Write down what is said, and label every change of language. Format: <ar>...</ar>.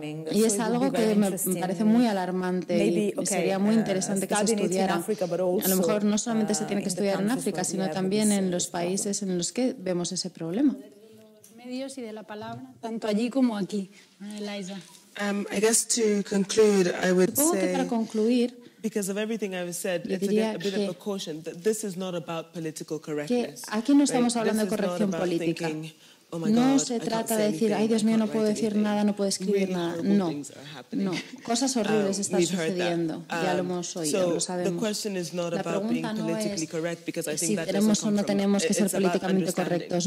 <es>Y es algo que me parece muy alarmante y sería muy interesante que se estudiara. A lo mejor no solamente se tiene que estudiar en África, sino también en los países en los que vemos ese problema. Mm. medios y de la palabra, tanto allí como aquí. Eliza.</es> <en>I guess to conclude, I would</en> <es>supongo</es> <en>say,</en> <es>que para concluir,</es> <en>because of everything I've said, it's a bit of a caution that this is not about political correctness.</en> <es>Aquí no estamos hablando de corrección política. No se trata de decir, ay Dios mío, no puedo decir nada, no puedo escribir nada. No, no. Cosas horribles están sucediendo. Ya lo hemos oído, lo sabemos. La pregunta no es si tenemos o no tenemos que ser políticamente correctos.</es>